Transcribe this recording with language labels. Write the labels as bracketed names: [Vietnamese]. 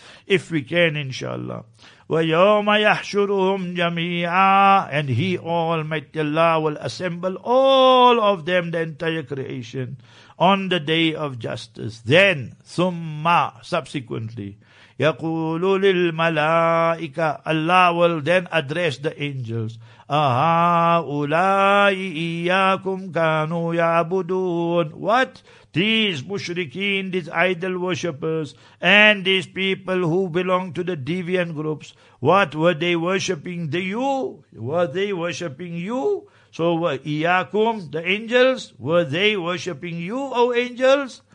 [English] If we can, inshallah. [Arabic] وَيَوْمَ يَحْشُرُهُمْ جَمِيعًا [English] And He, Almighty Allah, will assemble all of them, the entire creation, on the day of justice. Then, ثُمَّ subsequently, [Arabic] يَقُولُ لِلْمَلَائِكَ [English] Allah will then address the angels. [Arabic] أَهَا أُولَاءِ إِيَّاكُمْ كَانُوا يَعْبُدُونَ [English] What? These mushrikeen, these idol worshippers, and these people who belong to the deviant groups, what were they worshipping? Were they worshipping you? So were Iyakum, the angels, were they worshipping you, O angels?